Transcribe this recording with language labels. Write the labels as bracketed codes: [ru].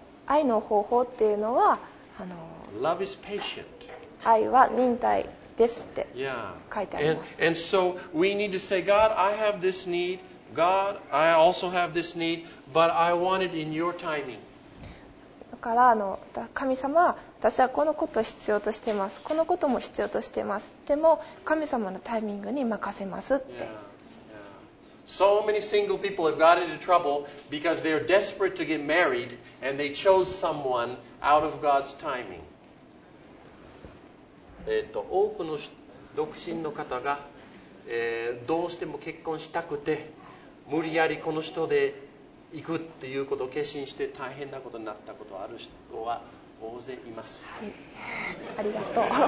[ja] 愛の方法っていうのは、 [en] Love is patient. [ja] 愛は忍耐ですって書いてあります。 [en] Yeah. And so we need to say, God, I have this need. God, I also have this need, but I want it in your timing. [ja] だから神様、私はこのことを必要としています、このことも必要としています、でも神様のタイミングに任せますって。 [en] Yeah, yeah. So many single people have got into trouble because they are desperate to get married and they chose someone out of God's timing. [ja] 多くの独身の方が、どうしても結婚したくて無理やりこの人で行くっていうことを決心して大変なことになったことある人は大勢います。はい、ありがとう。